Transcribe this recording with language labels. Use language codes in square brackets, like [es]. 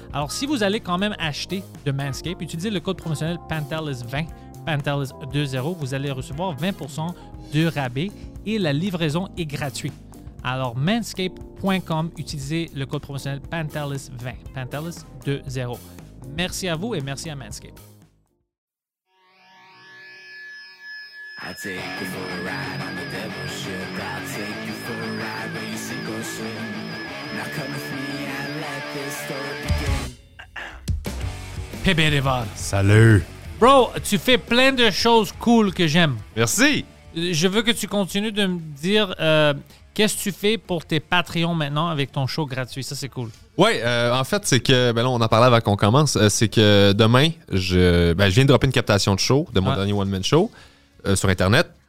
[fr] Alors, si vous allez quand même acheter de Manscaped, utilisez le code promotionnel PANTELIS20, PANTELIS20, vous allez recevoir 20% de rabais et la livraison est gratuite. Alors, manscaped.com, utilisez le code promotionnel PANTELIS20, PANTELIS20. Merci à vous et merci à Manscaped. [en] I'll take you for a ride on the devil's ship. I'll take you for a ride where you sink or swim. Now come with me and let this story begin. [fr] Pepe Rival. Salut. Bro, tu fais plein de choses cool que j'aime. Merci. Je veux que tu continues de me dire qu'est-ce que tu fais pour tes Patreons maintenant avec ton show gratuit. Ça, c'est cool. Ouais, en fait, c'est que, ben là, on en parlait avant qu'on commence. C'est que demain, je viens de dropper une captation de show de mon dernier one-man show. Sur Internet.